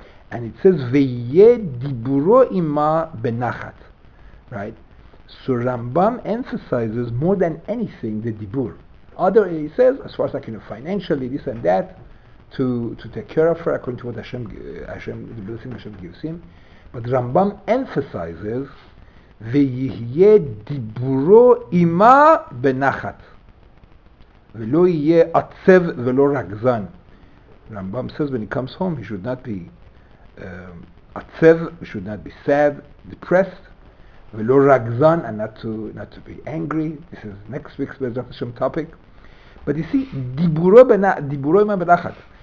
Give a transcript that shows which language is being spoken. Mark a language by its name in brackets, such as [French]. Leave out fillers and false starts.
[English] And it says [Hebrew] ve'ye diburo ima benachat, [English] right? So Rambam emphasizes more than anything the dibur. Other he says, as far as financially, this and that, to take care of her according to what Hashem, the blessing Hashem gives him. But Rambam emphasizes [Hebrew] ויהיה דיבורו אימה בנחת ולא יהיה עצב ולא רגזן. [English] Rambam says when he comes home he should not be עצב, he should not be sad, depressed, [Hebrew] ולא רגזן, [English] and not to be angry. This is next week's Bezrat Hashem topic. But you see, [Hebrew] דיבורו אימה בנחת.